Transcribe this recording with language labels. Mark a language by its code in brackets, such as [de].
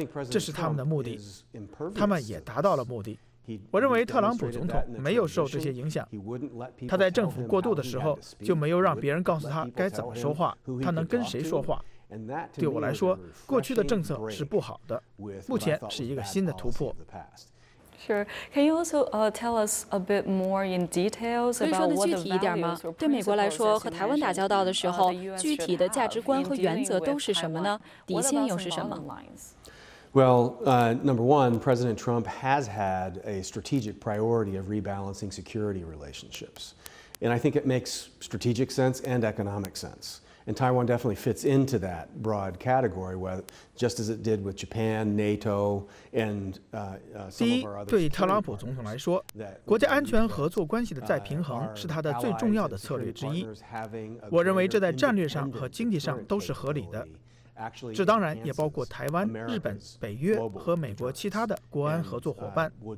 [zh] 这是他们的目的，他们也达到了目的。我认为特朗普总统没有受这些影响，他在政府过渡的时候就没有让别人告诉他该怎么说话，他能跟谁说话。对我来说，过去的政策是不好的，目前是一个新的突破。 [en] Sure. Can you also tell us a bit more in details about what the values or principles that you mentioned? [zh] 对美国来说，和台湾打交道的时候，具体的价值观和原则都是什么呢？底线又是什么？ [en] Well, number one, President Trump has had a strategic priority of rebalancing security relationships. And I think it makes strategic sense and economic sense. And Taiwan definitely fits into that broad category, just as it did with Japan, NATO, and some of our other security partners. [zh] 第一，对特朗普总统来说，国家安全合作关系的再平衡是他的最重要的策略之一。我认为这在战略上和经济上都是合理的。这当然也包括台湾、日本、北约和美国其他的国安合作伙伴。